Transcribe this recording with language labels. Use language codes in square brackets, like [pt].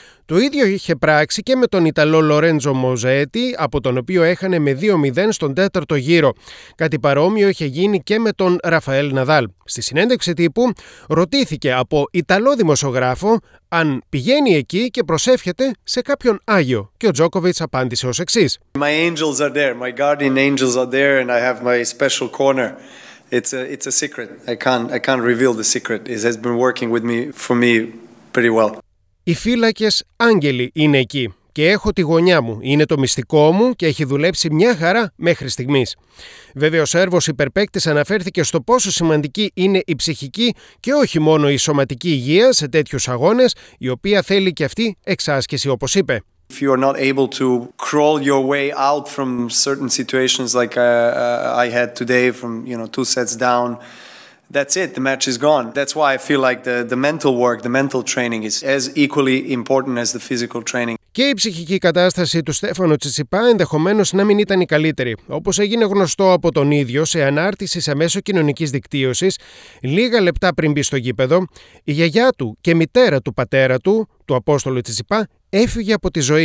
[el] Το ίδιο είχε πράξει και με τον Ιταλό Λορέντζο Μοζέτη, από τον οποίο έχανε με 2-0 στον τέταρτο γύρο. Κάτι παρόμοιο είχε γίνει και με τον Ραφαέλ Ναδάλ. Στη συνέντευξη τύπου ρωτήθηκε από Ιταλό δημοσιογράφο αν πηγαίνει εκεί και προσεύχεται σε κάποιον Άγιο. Και ο Τζόκοβιτς απάντησε ως εξής. [en] My angels are there, my guardian angels are there and I have my special corner. It's a secret. I can't reveal the secret. It has been working with me for me pretty well. [el] Οι φύλακες άγγελοι είναι εκεί. Και έχω τη γωνιά μου, είναι το μυστικό μου και έχει δουλέψει μια χαρά μέχρι στιγμής. Βέβαια, ο Σέρβος υπερπαίκτης αναφέρθηκε στο πόσο σημαντική είναι η ψυχική και όχι μόνο η σωματική υγεία σε τέτοιους αγώνες, η οποία θέλει και αυτή εξάσκηση, όπως είπε. [en] If you are not able to crawl your way out from certain situations like I had today, from two sets down, that's it, the match is gone. That's why I feel like the mental work, the mental training is as equally important as the physical training. [el] Και η ψυχική κατάσταση του Στέφανο Τσιτσιπά ενδεχομένως να μην ήταν η καλύτερη. Όπως έγινε γνωστό από τον ίδιο σε ανάρτηση σε μέσο κοινωνικής δικτύωσης, λίγα λεπτά πριν μπει στο γήπεδο, η γιαγιά του και μητέρα του πατέρα του, του Απόστολου Τσιτσιπά, έφυγε από τη ζωή.